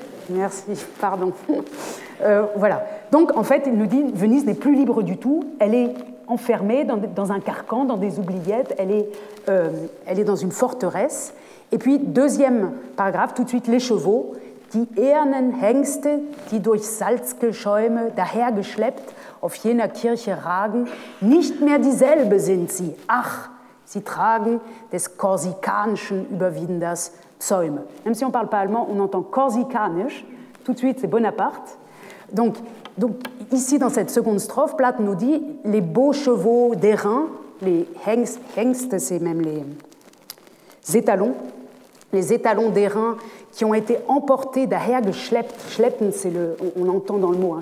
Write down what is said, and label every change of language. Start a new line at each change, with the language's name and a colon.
French: Merci, pardon. Voilà. Donc, en fait, il nous dit, Venise n'est plus libre du tout. Elle est enfermée dans un carcan, dans des oubliettes. Elle est dans une forteresse. Et puis, deuxième paragraphe, tout de suite, les chevaux.
German: Die ehernen Hengste, die durch salzige Schäume dahergeschleppt auf jener Kirche ragen, nicht mehr dieselbe sind sie. Ach, sie tragen des korsikanischen Überwinders Psaume.
French: Même si on ne parle pas allemand, on entend korsikanisch. Tout de suite, c'est Bonaparte. Donc, ici, dans cette seconde strophe, Platt nous dit les beaux chevaux d'airain, les Hengste, c'est même les étalons. Les étalons d'airain qui ont été emportés derrière le schleppt. Schleppen, c'est le. On l'entend dans le mot, hein.